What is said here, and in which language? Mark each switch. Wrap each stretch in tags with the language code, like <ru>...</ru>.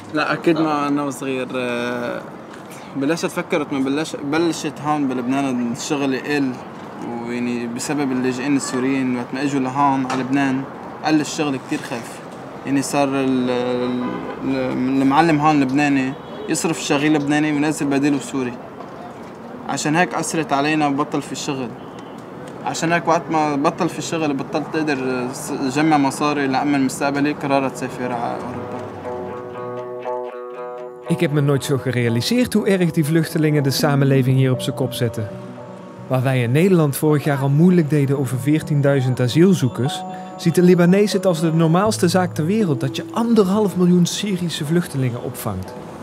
<nl>Nee, ik weet maar toen ik was klein.</nl> <ar>بلشت فكرت من بلشت هون بلبنان الشغل يقل، ويعني بسبب اللاجئين السوريين وقت ما اجوا لهون على لبنان قل الشغل كثير خف، يعني صار المعلم هون لبناني يصرف شغيل لبناني وينزل بديله سوري، عشان هيك اثرت علينا وبطل في الشغل، عشان هيك وقت ما بطل في الشغل بطلت تقدر جمع مصاري لامن مستقبلي قررت سافر على اوروبا.</ar> <nl>Ik heb me nooit zo gerealiseerd hoe erg die vluchtelingen de samenleving hier op zijn kop zetten. Waar wij in Nederland vorig jaar al moeilijk deden over 14.000 asielzoekers, ziet de Libanees het als de normaalste zaak ter wereld dat je 1,5 miljoen Syrische vluchtelingen opvangt.</nl>